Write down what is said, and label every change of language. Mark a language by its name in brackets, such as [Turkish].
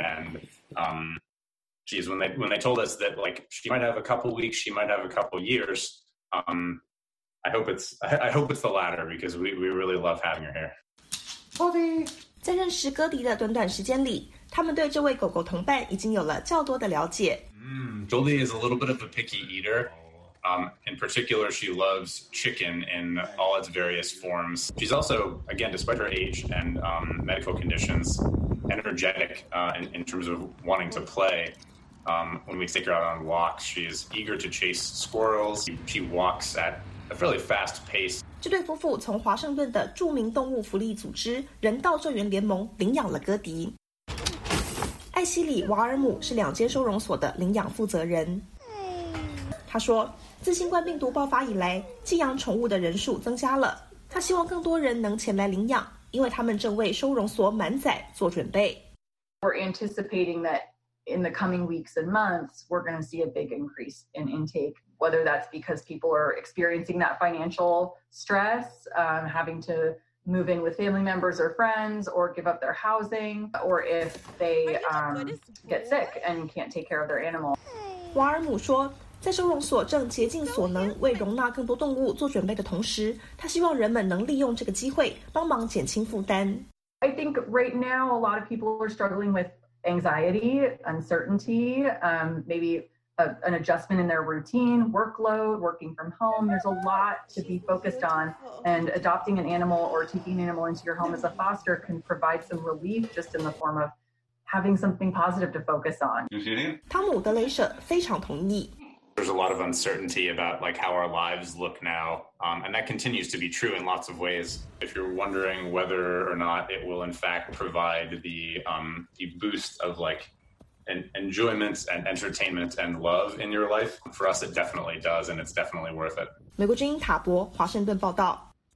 [English] And when they told us that like she might have a couple weeks, she might have a couple years, I hope it's the latter because we really love having her here. [Chinese] Goldie, 在认识戈迪的短短时间里，他们对这位狗狗同伴已经有了较多的了解。 [English] Goldie is a little bit of a picky eater. In particular, she loves chicken in all its various forms. She's also, again, despite her age and medical conditions, energetic in terms of wanting to play. When we take her out on walks, she's eager to chase squirrels. She walks at a fairly fast pace. [Chinese] 这对夫妇从华盛顿的著名动物福利组织人道救援联盟领养了戈迪。艾希里·瓦尔姆是两间收容所的领养负责人。他说，自新冠病毒爆发以来，寄养宠物的人数增加了。他希望更多人能前来领养，因为他们正为收容所满载做准备。 [English] We're anticipating that in the coming weeks and months, we're going to see a big increase in intake. Whether that's because people are experiencing that financial stress, having to move in with family members or friends, or give up their housing, or if they get sick and can't take care of their animal. [Chinese] 瓦尔姆说。在收容所正竭尽所能为容纳更多动物做准备的同时，他希望人们能利用这个机会帮忙减轻负担。 [English] I think right now a lot of people are struggling with anxiety, uncertainty, maybe an adjustment in their routine, workload, working from home. There's a lot to be focused on, and adopting an animal or taking an animal into your home as a foster can provide some relief just in the form of having something positive to focus on. [Chinese] 汤姆·德雷舍非常同意。 [English] There's a lot of uncertainty about like how our lives look now, and that continues to be true in lots of ways. If you're wondering whether or not it will in fact provide the boost of like enjoyment and entertainment and love in your life, for us it definitely does, and it's definitely worth it. [Chinese] 美国之音塔博，华盛顿报道。